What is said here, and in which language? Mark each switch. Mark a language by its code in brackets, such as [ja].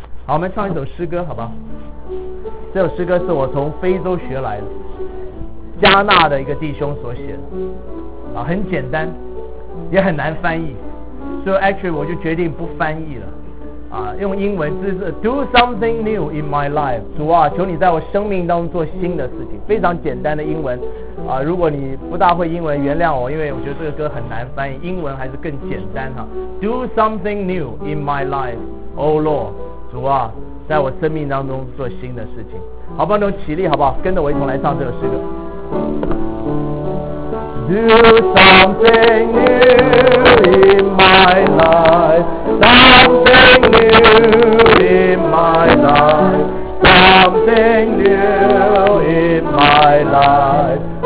[zh] 好，我们唱一首诗歌好吧，这首诗歌是我从非洲学来的，加纳的一个弟兄所写的，很简单也很难翻译，所以 actually 我就决定不翻译了啊，用英文就是 [en] Do something new in my life， [zh] 主啊，求你在我生命当中做新的事情，非常简单的英文啊。如果你不大会英文原谅我，因为我觉得这个歌很难翻译，英文还是更简单哈。 [en] Do something new in my life， Oh Lord， [zh] 主啊，在我生命当中做新的事情。好不好，你起立好不好，跟着我一同来唱这首诗歌。 [en] Do something new in my life，Something new in my life. Something new in my life.